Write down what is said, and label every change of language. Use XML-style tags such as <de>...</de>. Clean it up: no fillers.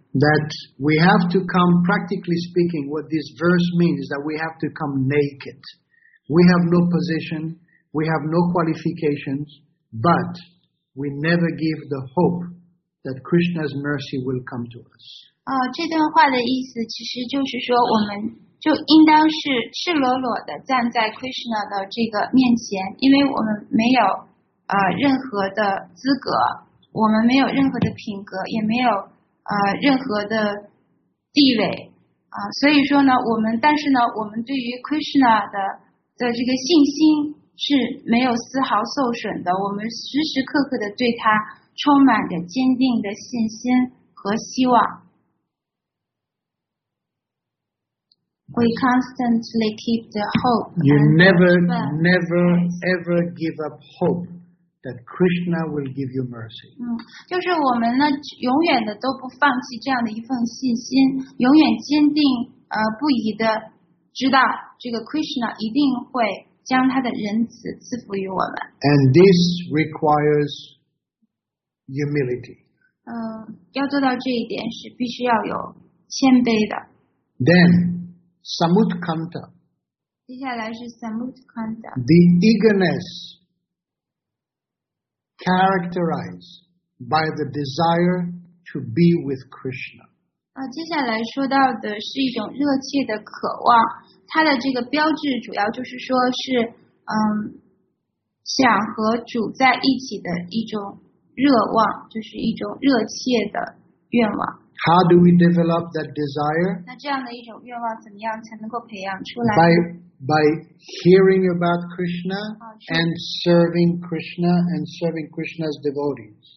<en>that we have to come, practically speaking, what this verse means is that we have to come naked. We have no position, we have no qualifications, but we never give the hope that Krishna's mercy will come to us.</en> <zh>这段话的意思其实就是说我们就应当是赤裸裸地站在 Krishna 的这个面前，因为我们没有任何的资格，我们没有任何的品格，也没有任何的地位所以说呢，我们但是呢，我们对于 Krishna 的这个信心是没有丝毫受损的，我们时时刻刻的对他充满着坚定的信心和希望。</zh> <en>We constantly keep the hope. You never, never, ever give up hope that Krishna will give you mercy.</en> <zh>就是我们呢，永远的都不放弃这样的一份信心，永远坚定不移的知道这个 Krishna 一定会将他的仁慈赐福于我们。</zh> <en>And this requires humility.</en> <zh>要做到这一点是必须要有谦卑的。</zh> <en>Then. Samutkanta.</en> <zh>接下来是 Samutkanta.</zh> <en>The eagerness characterized by the desire to be with Krishna.</en> <zh>接下来说到的是一种热切的渴望，它的这个标志主要就是说是想和主在一起的一种热望，就是一种热切的愿望。</zh> <en>How do we develop that desire?</en> <zh>那这样的一种愿望怎么样才能够培养出来？</zh> <en>By hearing about Krishna and serving Krishna and serving Krishna's devotees.</en>